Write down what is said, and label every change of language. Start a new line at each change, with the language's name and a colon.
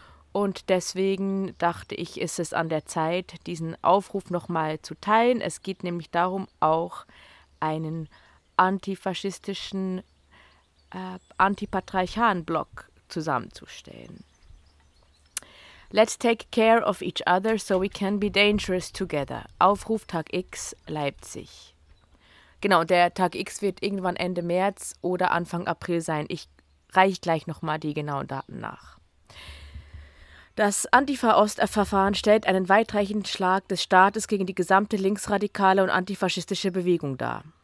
German: Und deswegen dachte ich, ist es an der Zeit, diesen Aufruf nochmal zu teilen. Es geht nämlich darum, auch einen antifaschistischen, antipatriarchalen Block zusammenzustellen.
English: Let's take care of each other so we can be dangerous together.
German: Aufruf Tag X, Leipzig. Genau, der Tag X wird irgendwann Ende März oder Anfang April sein. Ich reiche gleich nochmal die genauen Daten nach. Das Antifa-Ost-Verfahren stellt einen weitreichenden Schlag des Staates gegen die gesamte linksradikale und antifaschistische Bewegung dar.